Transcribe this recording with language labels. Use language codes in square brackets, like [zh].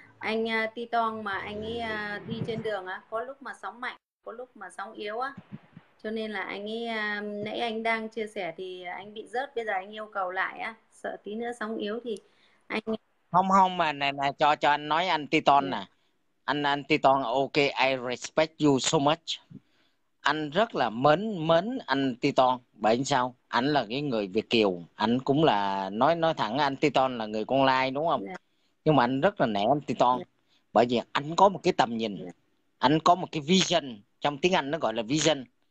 [vi] anh ti toang mà anh ấy đi trên đường á, có lúc mà sóng mạnh, có lúc mà sóng yếu á, cho nên là anh ấy nãy anh đang chia sẻ thì anh bị rớt, bây giờ anh yêu cầu lại á, sợ tí nữa sóng yếu thì anh Không không mà này này cho anh nói anh Titan nè. [en] Anh Titan ok, I respect you so much. [vi] Anh rất là mến mến anh Titan. Bởi sao? Anh là cái người Việt kiều, anh cũng là nói thẳng anh Titan là người con lai đúng không? Nhưng mà anh rất là nể anh Titan. Bởi vì anh có một cái tầm nhìn, anh có một cái vision, trong tiếng Anh nó gọi là vision.